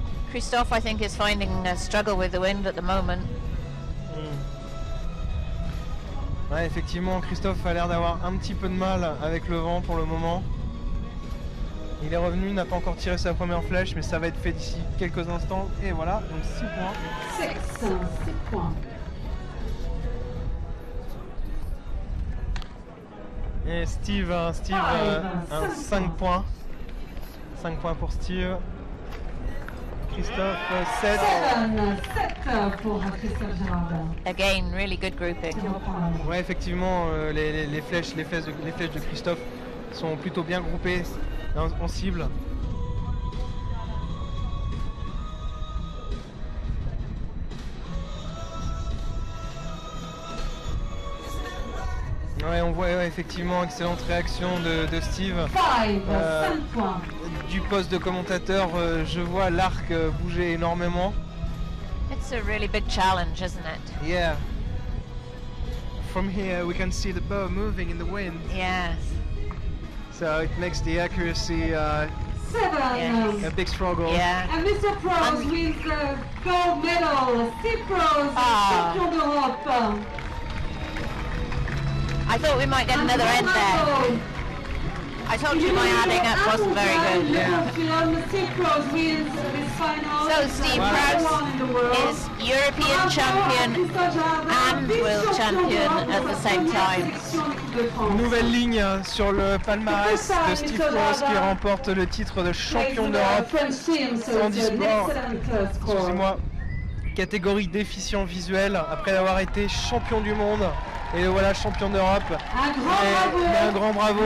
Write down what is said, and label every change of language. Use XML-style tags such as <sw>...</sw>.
<en>Christophe, I think, is finding a struggle with the wind at the moment.</en> <fr>Ouais, effectivement, Christophe a l'air d'avoir un petit peu de mal avec le vent pour le moment. Il est revenu, n'a pas encore tiré sa première flèche, mais ça va être fait d'ici quelques instants. Et voilà, donc 6 points. 6 points. Et Steve, un 5 points. 5 points pour Steve. Christophe, 7. 7 pour Christophe Gérardin.</fr> <en>Again, really good grouping.</en> <fr>Ouais, effectivement, les flèches de Christophe sont plutôt bien groupées en cible. Ouais, on voit effectivement excellente réaction de Steve. 5 points. Du poste de commentateur, je vois l'arc bouger énormément.</fr> <en>It's a really big challenge, isn't it? Yeah. From here, we can see the bow moving in the wind. Yes. So it makes the accuracy seven. A big struggle. Yeah. And Mr. Prose wins the gold medal. Steve Prose,</en> <fr>champion d'Europe.</fr> <en>I thought we might get another end there. I told you my adding up wasn't very good. Yeah. So Steve Prose is European champion and world champion at the same time.</en> <fr>Nouvelle ligne sur le palmarès de Steve Prose qui remporte le titre de champion d'Europe en e-sport. Excusez-moi. Catégorie déficient visuel après avoir été champion du monde. Et voilà, champion d'Europe. Un grand bravo,</fr>